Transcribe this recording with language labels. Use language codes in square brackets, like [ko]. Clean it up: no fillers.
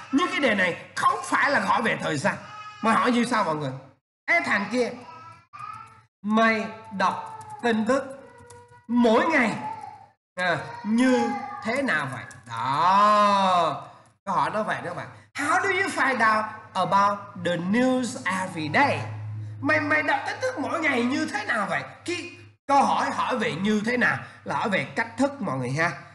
[vi] Nhưng cái đề này không phải là hỏi về thời gian. Mà hỏi như sao mọi người? Ê thằng kia, mày đọc tin tức mỗi ngày như thế nào vậy? Đó, câu hỏi nó vậy đó các bạn. [en] How do you find out about the news every day? [vi] Mày đọc tin tức mỗi ngày như thế nào vậy? Cái câu hỏi hỏi về như thế nào là hỏi về cách thức mọi người ha.